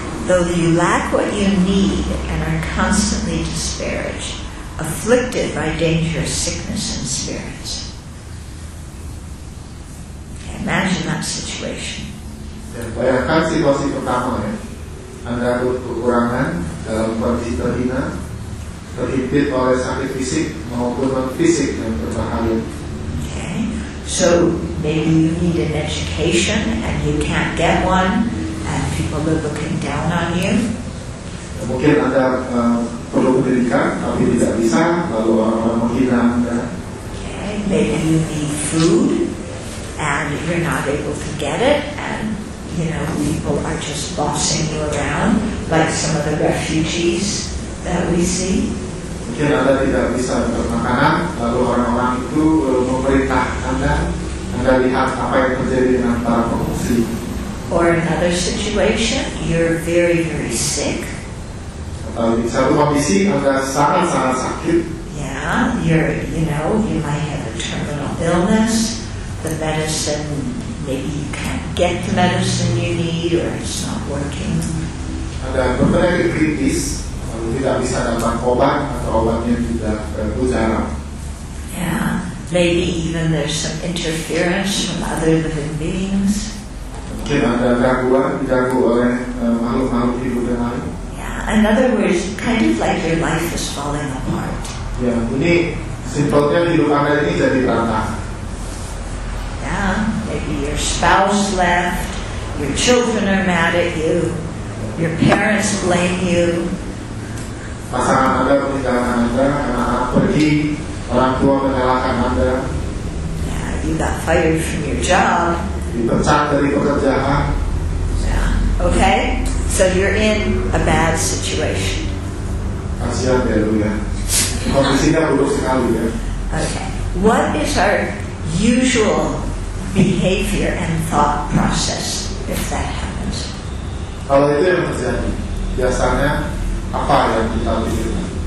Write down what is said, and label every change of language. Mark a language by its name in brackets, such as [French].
[English] Though you lack what you need and are constantly disparaged, afflicted by dangerous sickness and spirits. Okay, imagine that situation. [Indonesian] Bayangkan situasi pertama ya. Anda berkekurangan dalam kondisi terhina, terhimpit oleh sakit fisik maupun non-fisik yang berbahaya. [English] Okay, so maybe you need an education and you can't get one, and people are looking down on you. [Indonesian] Mungkin Anda perlu pendidikan tapi tidak bisa, lalu orang-orang menghina Anda. [English] Okay, maybe you need food and you're not able to get it, and you know, people are just bossing you around, like some of the refugees that we see. [Indonesian] Mungkin Anda tidak bisa untuk makanan, lalu orang-orang itu memerintah Anda. Anda lihat apa yang terjadi dengan para pengungsi. [English] Or another situation, you're very, very sick. [Indonesian] Atau di satu kondisi, Anda sangat-sangat sakit. [English] Yeah, you might have a terminal illness, the medicine. Maybe you can't get the medicine you need, or it's not working. [Indonesian] Ada beberapa kritis, lalu tidak bisa dapat obat atau obatnya tidak berjalan. [English] Yeah, maybe even there's some interference from other living beings. [Indonesian] Mungkin ada gangguan diganggu oleh makhluk-makhluk hidup yang lain. [English] Yeah, in other words, kind of like your life is falling apart. [Indonesian] Yeah, ini simpelnya hidup Anda ini jadi berantakan. [English] Maybe your spouse left, your children are mad at you, your parents blame you. [Indonesian] Pasangan Anda meninggalkan Anda, anak-anak pergi, orang tua menyalahkan Anda. [English] Yeah, you got fired from your job. [Indonesian] Dipecat dari pekerjaan. [English] Yeah. Okay, so you're in a bad situation. [Indonesian] Kasihan ya, lu ya. Kondisinya buruk sekali ya. [English] Okay, what is our usual behavior and thought process if that happens? [Indonesian] Kalau itu yang terjadi, biasanya apa yang kita pikirkan?